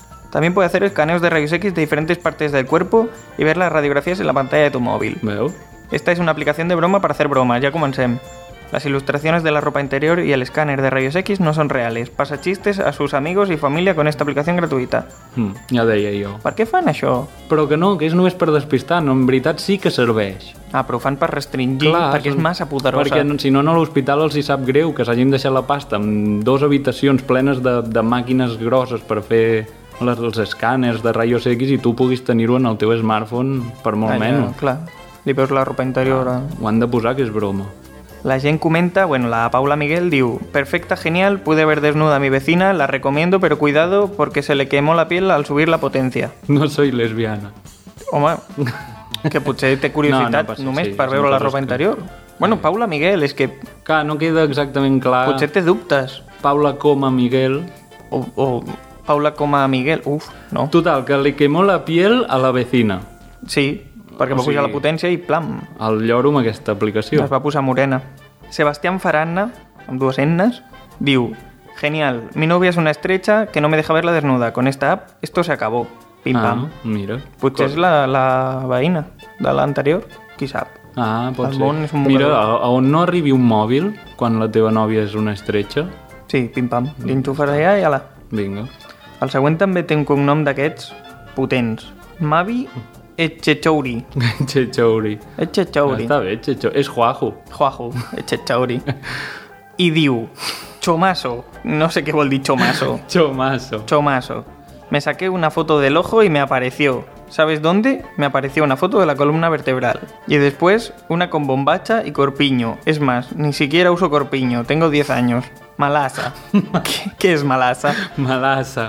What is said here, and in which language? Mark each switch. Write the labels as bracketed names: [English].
[Spanish] También puede hacer escaneos de rayos X de diferentes partes del cuerpo y ver las radiografías en la pantalla de tu móvil. [Catalan] ¿Veu? [Spanish] Esta es una aplicación de broma para hacer bromas. Ya comencem. Las ilustraciones de la ropa interior y el escáner de rayos X no son reales. Pasa chistes a sus amigos y familia con esta aplicación gratuita. [Catalan] Ja deia jo. Per què fan això? Però que no, que és només per despistar. No, en veritat sí que serveix. Ah, però ho fan per restringir, clar, perquè és massa poderosa. Perquè si no, a l'hospital els hi sap greu que s'hagin deixat la pasta amb dues habitacions plenes de màquines grosses per fer els escàners de rayos X i tu puguis tenir-ho en el teu smartphone per molt menys. Clar, li veus la ropa interior. Ho han de posar, que és broma. La gent comenta, bueno, la Paula Miguel diu: [Spanish] perfecta, genial, pude ver desnuda a mi vecina, la recomiendo, pero cuidado porque se le quemó la piel al subir la potencia. No soy lesbiana. [Catalan] Home, que potser té curiositat no, no passa, només sí, per veure la roba interior. Que... Bueno, Paula Miguel, és que... Clar, no queda exactament clar... Potser té dubtes. Paula com a Miguel... O Paula com a Miguel, uf, no. Total, que li [Spanish] quemó la piel a la vecina. [Catalan] Sí, perquè va pujar la potència i plam. El lloro amb aquesta aplicació. Es va posar morena. Sebastián Faranna, amb dues ennes, diu: [Spanish] genial, mi novia es una estrecha que no me deja verla desnuda. Con esta app, esto se acabó. Pim, pam. [Catalan] Ah, mira. Potser és la veïna de l'anterior, qui sap. Ah, pot ser. Bon, mira, a on no arribi un mòbil quan la teva nòvia és una estrecha. Sí, pim, pam. L'enxufes allà i ala. Vinga. El següent també té un cognom d'aquests potents. Mavi... Echechouri. Echechouri. Echechouri. Està bé, Echechouri. És Juaju. Juaju. Echechouri. I diu... Chomaso. No sé què vol dir Chomaso. Chomaso. Chomaso. [Spanish] Me saqué una foto del ojo y me apareció. ¿Sabes dónde? Me apareció una foto de la columna vertebral. Y después, una con bombacha y corpiño. Es más, ni siquiera uso corpiño. Tengo 10 años. Malasa. ¿Qué es malasa? Malasa.